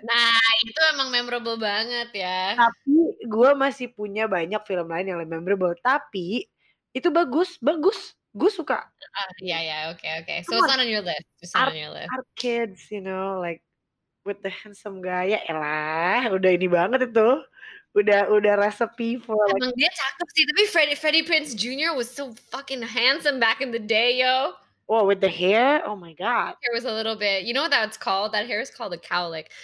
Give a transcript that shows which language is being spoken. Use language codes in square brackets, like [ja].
[id] Nah, itu emang memorable banget ya. Tapi gue masih punya banyak film lain yang lebih memorable. Tapi itu bagus, bagus. Gue suka. [en] Okay. So it's not on your list. It's not on your list. Our kids, you know, like with the handsome guy. [id] Ya elah, udah ini banget itu. [en] Udah recipe for [id] like. Emang dia cakep sih. Tapi Freddie Prinze Jr. [en] was so fucking handsome back in the day, yo. Oh, with the hair? Oh my god. Hair was a little bit. You know what that's called? That hair is called a cowlick.